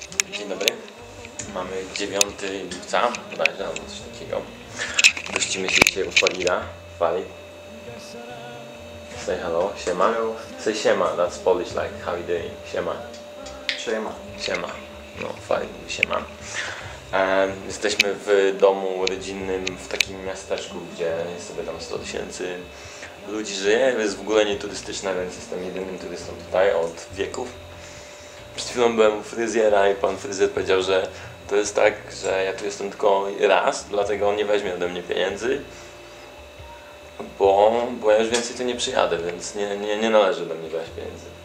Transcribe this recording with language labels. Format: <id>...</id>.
<pl>Dzień dobry, mamy 9 lipca, bodajże, albo coś takiego. Gościmy się dzisiaj u Farida, Fali.</pl> <en>Say hello, siema. Hello. Say siema, that's Polish like, how you doing?</en> <pl>Siema. Siema. Siema, no Farid mówi siema. Jesteśmy w domu rodzinnym w takim miasteczku, gdzie jest sobie tam 100 tysięcy ludzi żyje. Jest w ogóle nie turystyczne, więc jestem jedynym turystą tutaj od wieków. Przed chwilą byłem u fryzjera i pan fryzjer powiedział, że to jest tak, że ja tu jestem tylko raz, dlatego on nie weźmie ode mnie pieniędzy, bo ja już więcej tu nie przyjadę, więc nie należy do mnie brać pieniędzy.</pl>